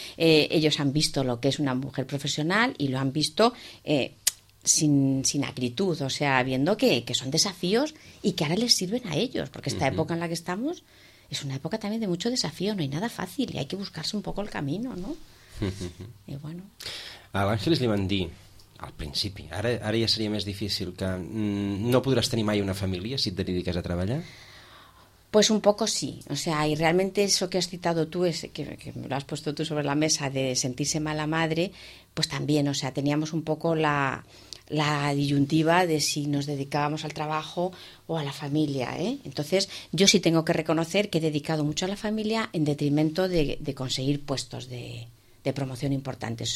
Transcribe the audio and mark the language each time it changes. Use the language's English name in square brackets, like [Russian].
[Spanish] Ellos han visto lo que es una mujer profesional y lo han visto sin acritud, o sea, viendo que son desafíos y que ahora les sirven a ellos, porque esta época en la que estamos es una época también de mucho desafío, no hay nada fácil y hay que buscarse un poco el camino, ¿no? Y bueno... [Catalan] A l'Àngeles li van dir, al principi, ara ja seria més difícil, que no podràs tenir mai una família si et dediques a treballar? [Spanish] Pues un poco sí, o sea, y realmente eso que has citado tú, que me lo has puesto tú sobre la mesa, de sentirse mala madre, pues también, o sea, teníamos un poco la disyuntiva de si nos dedicábamos al trabajo o a la familia, ¿eh? Entonces, yo sí tengo que reconocer que he dedicado mucho a la familia en detrimento de conseguir puestos de promoción importantes.